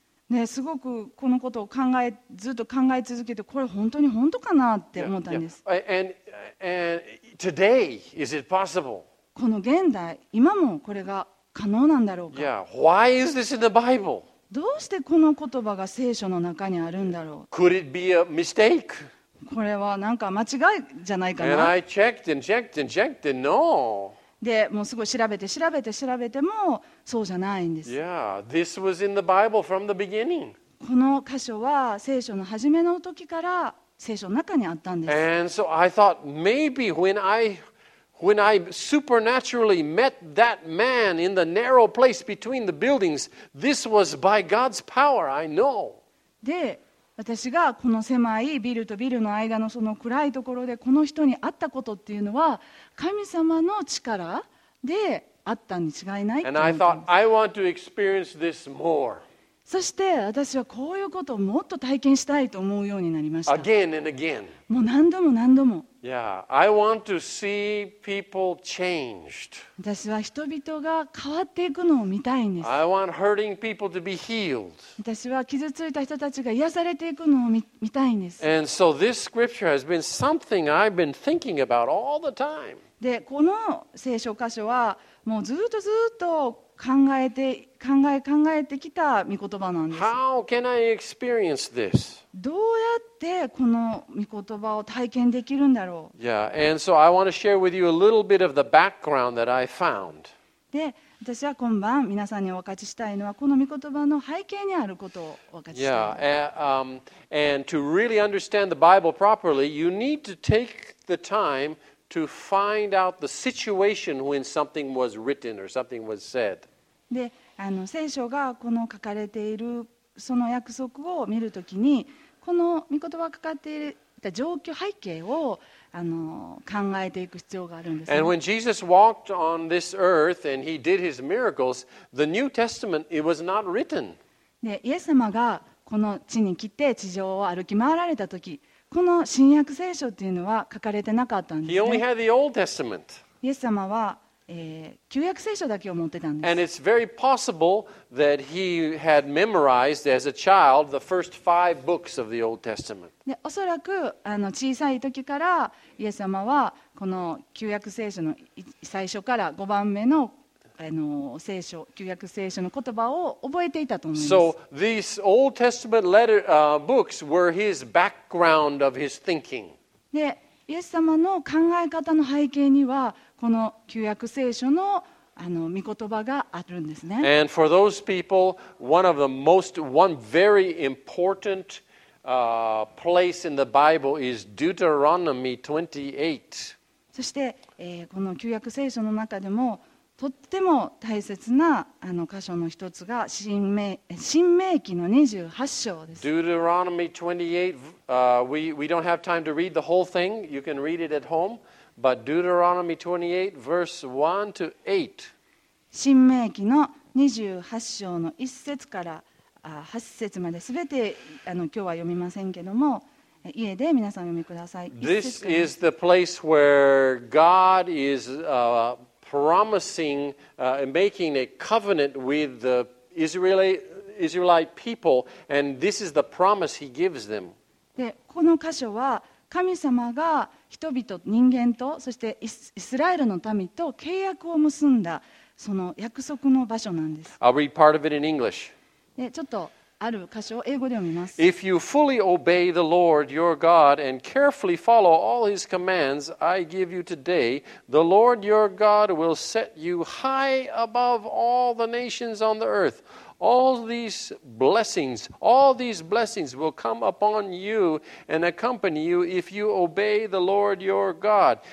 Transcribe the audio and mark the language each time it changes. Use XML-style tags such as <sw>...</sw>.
<ja>ね、すごくこのことを考えずっと考え続けて、これ本当に本当かなって思ったんです。</ja> <en>Yeah, yeah. And today, is it possible?</en> <ja>この現代、今もこれが可能なんだろうか。</ja> <en>Yeah. Why is this in the Bible?</en> <ja>どうしてこの言葉が聖書の中にあるんだろう。</ja> <en>Could it be a mistake?</en> <ja>これはなんか間違いじゃないかな。</ja> <en>And I checked and checked and checked and no.</en> <ja>でもうすごい調べて調べて調べてもそうじゃないんです。</ja> <en>Yeah, this was in the Bible from the beginning.</en> <ja>この箇所は聖書の初めの時から聖書の中にあったんです。</ja> <en>And so I thought maybe when I supernaturally met that man in the narrow place between the buildings, this was by God's power, I know.</en> <ja>で私がこの狭いビルとビルの間のその暗いところでこの人に会ったことっていうのは神様の力で会ったに違いないと思ってます。そして私はこういうことをもっと体験したいと思うようになりました。</ja> <en>again and again.</en> <ja>もう何度も何度も。</ja> <en>Yeah, I want to see people changed.</en> <ja>私は人々が変わっていくのを見たいんです。</ja> <en>I want hurting people to be healed.</en> <ja>私は傷ついた人たちが癒されていくのを 見たいんです。</ja> <en>And so this scripture has been something I've been thinking about all the time.</en> <ja>でこの聖書箇所はもうずっとずっと考えてきた御言葉なんです。</ja> <en>How can I experience this?</en> <ja>どうやってこの御言葉を体験できるんだろう。</ja> <en>Yeah, and so I want to share with you a little bit of the background that I found.</en> <ja>で、私は今晩皆さんにお分かちしたいのはこの御言葉の背景にあることをお分かちしたい。</ja> <en>Yeah, and to really understand the Bible properly, you need to take the timeto find out the situation when something was written or something was said.</en> <ja>で、あの聖書がこの書かれているその約束を見るときに、この御言葉が書かれている状況背景をあの考えていく必要があるんです、ね。</ja> <en>And when Jesus walked on this earth and he did his miracles, the New Testament it was not written.</en> <ja>で、イエス様がこの地に来て地上を歩き回られたとき。この新約聖書というのは書かれてなかったんですね。</ja> <en>He only had the Old Testament.</en> <ja>イエス様は、旧約聖書だけを持ってたんです。</ja> <en>And it's very possible that he had memorized as a child the first five books of the Old Testament.</en> <ja>で、おそらくあの小さい時からイエス様はこの旧約聖書の最初から5番目のあの聖書、旧約聖書の言葉を覚えていたと思います。</ja> <en>So these Old Testament letter, books were his background of his thinking.</en> <ja>で、イエス様の考え方の背景にはこの旧約聖書の、あの御言葉があるんですね。</ja> <en>And for those people, one of the most, one very important, place in the Bible is Deuteronomy 28.</en> <ja>そして、この旧約聖書の中でもとっても大切なあの箇所の一つが新命記の28章です。</ja> <en>Deuteronomy 28, we don't have time to read the whole thing. You can read it at home. But Deuteronomy 28, verse 1 to 8.</en> <ja>新命記の28章の1節から8節まで全てあの今日は読みませんけども、家で皆さん読みください。</ja> <en>This is the place where God is, promising, making a covenant with the Israelite people, and this is the promise he gives them.</en> <ja>で、この箇所は神様が人々、人間と、そしてイスラエルの民と契約を結んだその約束の場所なんです。</ja> <en>I'll read part of it in English.</en> <ja>で、ちょっとある箇所を英語で読みます。</ja> <en>If you fully obey the Lord your God and carefully follow all his commands I give you today, the Lord your God will set you high above all the nations on the earth. All these blessings will come upon you and accompany you if you obey the Lord your God.</en>